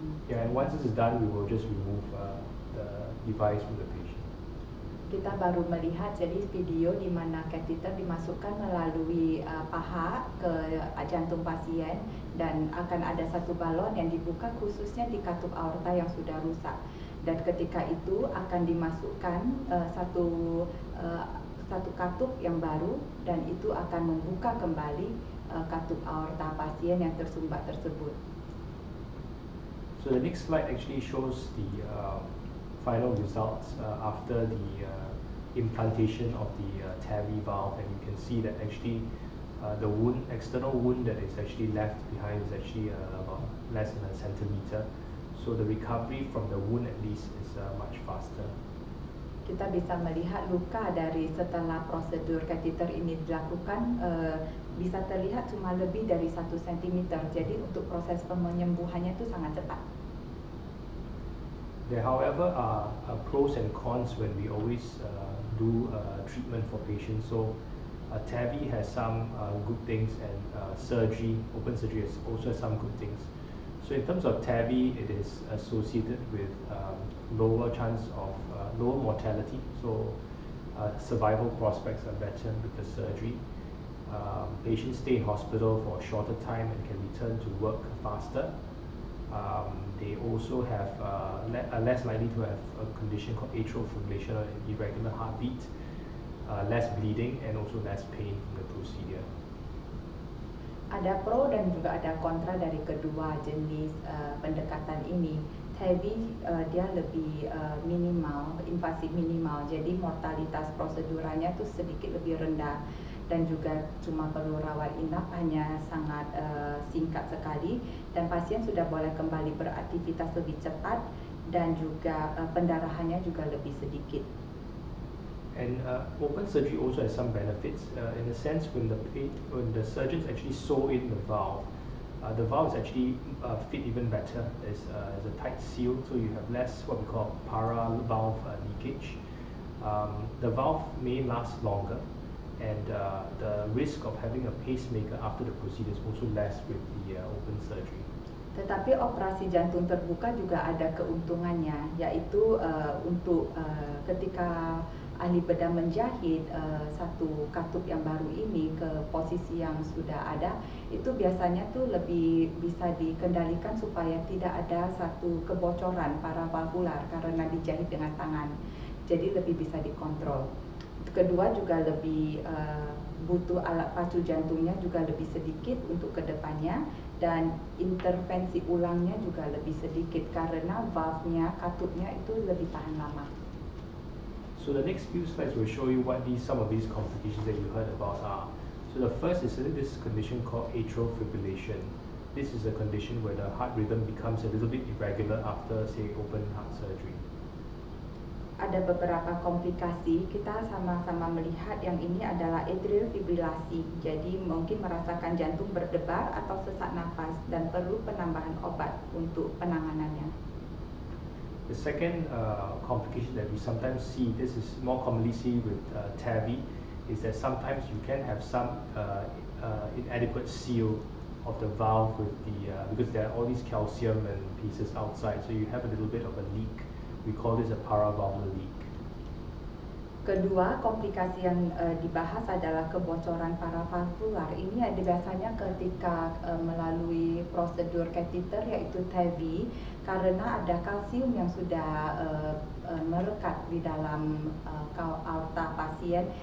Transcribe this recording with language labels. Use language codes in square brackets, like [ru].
[en] And once this is done, we will just remove the device from the patient. [id] Kita baru melihat jadi video di mana kateter dimasukkan melalui paha ke jantung pasien, dan akan ada satu balon yang dibuka khususnya di katup aorta yang sudah rusak. Dan ketika itu akan dimasukkan satu katup yang baru, dan itu akan membuka kembali katup aorta pasien yang tersumbat tersebut. [en] So the next slide actually shows the final results after the implantation of the TAVI valve, and you can see that actually the wound, external wound that is actually left behind, is actually about less than a centimeter. So the recovery from the wound at least is much faster. [id] Kita bisa melihat luka dari setelah prosedur kateter ini dilakukan bisa terlihat cuma lebih dari 1 cm. Jadi untuk proses penyembuhannya itu sangat cepat. [en] There, however, are pros and cons when we always do treatment for patients. So TAVI has some good things, and surgery, open surgery, has also some good things. So in terms of TAVI, it is associated with lower chance of lower mortality, so survival prospects are better with the surgery. Patients stay in hospital for a shorter time and can return to work faster. They also have are less likely to have a condition called atrial fibrillation, or irregular heartbeat, less bleeding, and also less pain from the procedure. [id] Ada pro dan juga ada kontra dari kedua jenis pendekatan ini. TAVI dia lebih minimal, invasif minimal, jadi mortalitas prosedurannya tuh sedikit lebih rendah dan juga cuma perlu rawat inap hanya sangat singkat sekali dan pasien sudah boleh kembali beraktivitas lebih cepat dan juga pendarahannya juga lebih sedikit. [en] And open surgery also has some benefits in a sense when the surgeons actually sew in the valve is actually fit even better. It's a tight seal, so you have less what we call para valve leakage. The valve may last longer, and the risk of having a pacemaker after the procedure is also less with the open surgery. [id] Tetapi operasi jantung terbuka juga ada keuntungannya, yaitu untuk ketika ahli bedah menjahit satu katup yang baru ini ke posisi yang sudah ada, itu biasanya tuh lebih bisa dikendalikan supaya tidak ada satu kebocoran para valvular karena dijahit dengan tangan, jadi lebih bisa dikontrol. Kedua juga lebih butuh alat pacu jantungnya juga lebih sedikit untuk kedepannya dan intervensi ulangnya juga lebih sedikit karena valve-nya, katupnya itu lebih tahan lama. [en] So the next few slides will show you what these some of these complications that you heard about are. So the first is this condition called atrial fibrillation. This is a condition where the heart rhythm becomes a little bit irregular after, say, open heart surgery. [id] Ada beberapa komplikasi, kita sama-sama melihat yang ini adalah atrial fibrilasi. Jadi mungkin merasakan jantung berdebar atau sesak nafas dan perlu penambahan obat untuk penanganannya. [en] The second complication that we sometimes see, this is more commonly seen with TAVI, is that sometimes you can have some inadequate seal of the valve with the because there are all these calcium and pieces outside, so you have a little bit of a leak. We call this a paravalvular leak. [id] Kedua, komplikasi yang dibahas adalah kebocoran paravalvular. Ini ada biasanya ketika melalui prosedur kateter yaitu TAVI karena ada kalsium yang sudah melekat di dalam aorta pasien.